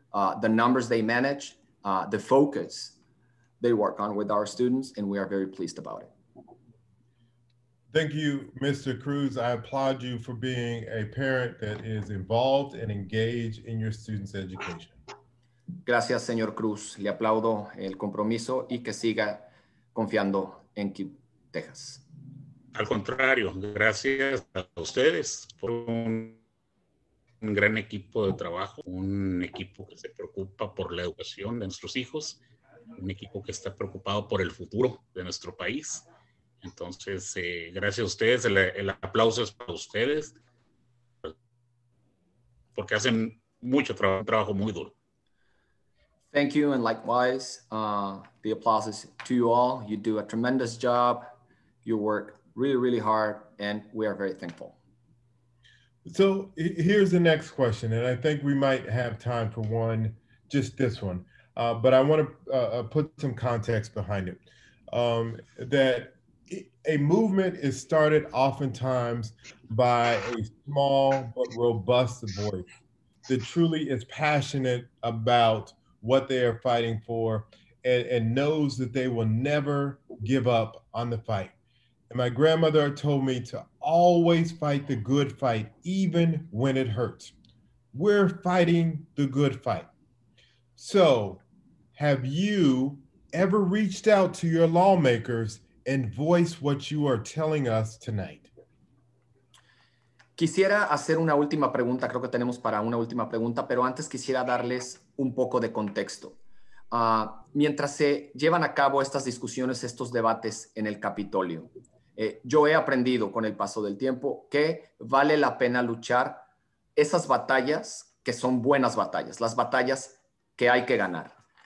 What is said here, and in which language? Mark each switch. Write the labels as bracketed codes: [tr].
[en] The numbers they manage, the focus they work on with our students, and we are very pleased about it. Thank you, Mr. Cruz. I applaud you for being a parent that is involved and engaged in your students' education. [es] Gracias, señor Cruz. Le aplaudo el compromiso y que siga confiando en KIPP Texas. Al contrario, gracias a ustedes por un gran equipo de trabajo, un equipo que se preocupa por la educación de nuestros hijos un equipo que está preocupado por el futuro de nuestro país. Entonces, gracias a ustedes, el aplauso es para ustedes, porque hacen mucho trabajo muy duro. [en] Thank you, and likewise, the applause is to you all. You do a tremendous job. You work really, really hard, and we are very thankful. So here's the next question, and I think we might have time for one, just this one. But I want to put some context behind it. That a movement is started oftentimes by a small but robust voice that truly is passionate about what they are fighting for and knows that they will never give up on the fight. And my grandmother told me to always fight the good fight, even when it hurts. We're fighting the good fight. So have you ever reached out to your lawmakers and voiced what you are telling us tonight? [es] Quisiera hacer una última pregunta. Creo que tenemos para una última pregunta, pero antes quisiera darles un poco de contexto. Mientras se llevan a cabo estas discusiones, estos debates en el Capitolio, yo he aprendido con el paso del tiempo que vale la pena luchar esas batallas que son buenas batallas, las batallas que hay que ganar.